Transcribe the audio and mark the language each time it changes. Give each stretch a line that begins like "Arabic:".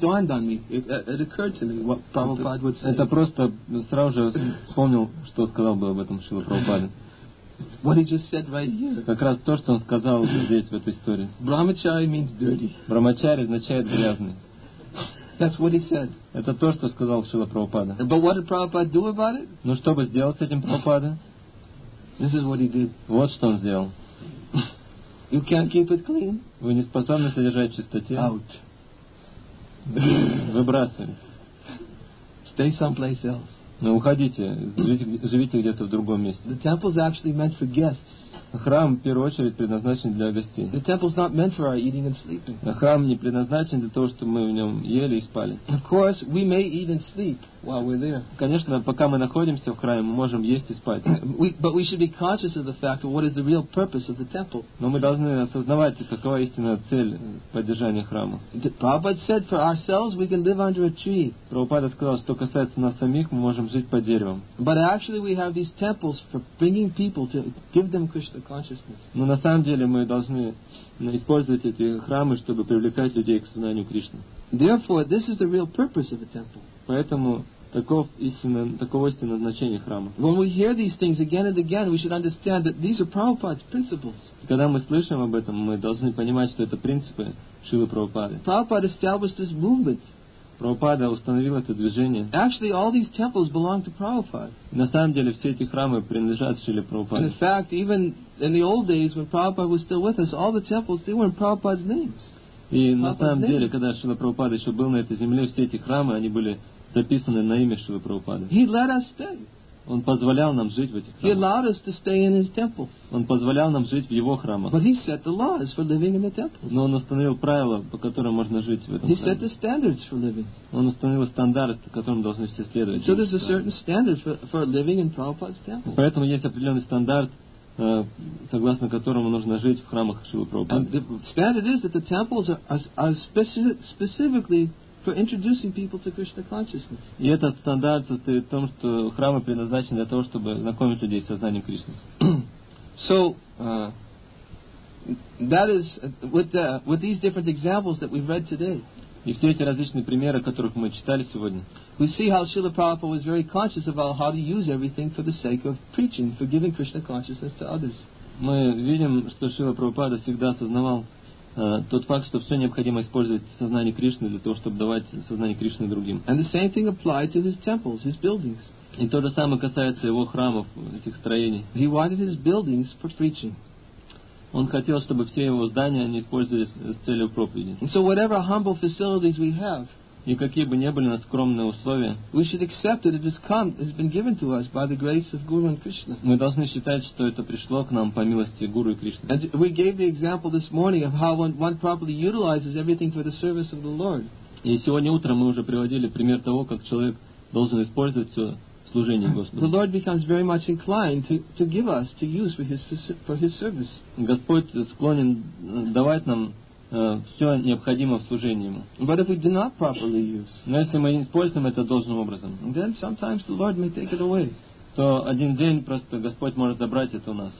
English: It occurred to me what Prabhupada would say.
Russian: Это просто сразу же вспомнил, что сказал бы об этом Шрила Прабхупада.
English: What he just said right here.
Russian: Как раз то, что он сказал здесь в этой истории.
English: Brahmachari means dirty.
Russian: Брахмачари означает грязный.
English: That's what he said.
Russian: Это то, что сказал Шрила Прабхупада.
English: But what did Prabhupada do about it?
Russian: Ну что бы сделал с этим Прабхупада?
English: This is what he did.
Russian: Вот что он сделал.
English: You can't keep it clean.
Russian: Вы не способны содержать чистоте.
English: Out.
Russian: Выбрасываем.
English: Stay someplace else.
Russian: Ну, уходите, живите где-то в другом месте.
English: The temple's actually meant for guests.
Russian: Храм, в первую очередь, предназначен для гостей.
English: The temple's not meant for our eating and sleeping.
Russian: Храм не предназначен для того, чтобы мы в нем ели и спали.
English: Of course, we may eat and sleep while we're there.
Russian: Конечно, пока мы находимся в храме, мы можем есть и спать.
English: But we should be conscious of the fact of what is the real purpose of the temple.
Russian: Но мы должны осознавать, какова истинная цель поддержания храма.
English: Prabhupada said, for ourselves, we can live under a tree.
Russian: Прабхупада сказал, что касается нас самих, мы можем жить под деревом.
English: But actually, we have these temples for bringing people to give them Krishna. The consciousness.
Russian: Но на самом деле мы должны использовать эти храмы, чтобы привлекать людей к сознанию Кришны.
English: Therefore, this is the real purpose of the temple.
Russian: Поэтому таково истинное значение храма.
English: When we hear these things again and again, we should understand that these are Prabhupada's principles.
Russian: Когда мы слышим об этом, мы должны понимать, что это принципы Шрилы Прабхупады.
English: Prabhupada established this movement.
Russian: Прабхупада установил это движение.
English: Actually, all these temples belong to Prabhupada.
Russian: На самом деле, все эти храмы принадлежат Шриле Прабхупаде.
English: And in fact, even in the old days, when Prabhupada was still with us, all the temples, they were in Prabhupada's names.
Russian: И на самом деле, когда Шрила Прабхупада еще был на этой земле, все эти храмы, они были записаны на имя Шрилы Прабхупады.
English: He let us stay.
Russian: Он позволял нам жить в этих храмах.
English: He allowed us to stay in his temple.
Russian: Он позволял нам жить в его храмах.
English: But he set the laws for living in the temples.
Russian: Но он установил правила, по которым можно жить в этом
English: he
Russian: храме.
English: He set the standards for living.
Russian: Он установил стандарты, которым должны все следовать.
English: So there's a certain standard for living in Prabhupada's temple.
Russian: Поэтому есть определенный стандарт, согласно которому нужно жить в храмах Шрилы Прабхупады.
English: And the standard is that the temples are specifically for introducing people to Krishna consciousness.
Russian: И этот стандарт состоит в том, что храмы предназначены для того, чтобы знакомить людей с сознанием Кришны.
English: So that is with these different examples that we've read today.
Russian: И все эти различные примеры, о которых мы читали сегодня.
English: We see how Srila Prabhupada was very conscious about how to use everything for the sake of preaching, for giving Krishna consciousness to others.
Russian: Мы видим, что Шрила Прабхупада всегда осознавал тот факт, что все необходимо использовать сознание Кришны для того, чтобы давать сознание Кришны другим.
English: And the same thing applied to his temples, his buildings.
Russian: И то же самое касается его храмов, этих строений.
English: He wanted his buildings for preaching.
Russian: Он хотел, чтобы все его здания они использовались с целью проповеди.
English: And so whatever humble facilities we have,
Russian: и какие бы ни были у нас скромные условия,
English: we should accept that it has been given to us by the grace of Guru and Krishna.
Russian: Мы должны считать, что это пришло к нам по милости Гуру и Кришны.
English: And we gave the example this morning of how one properly utilizes everything for the service of the Lord.
Russian: И сегодня утром мы уже приводили пример того, как человек должен использовать все служение Господу.
English: The Lord becomes very much inclined to give us to use for his service.
Russian: Господь склонен давать нам все необходимое в служении ему.
English: But if we do not properly use,
Russian: но если мы используем это должным образом,
English: then sometimes the Lord may take it away.
Russian: что один день просто Господь может забрать это у нас.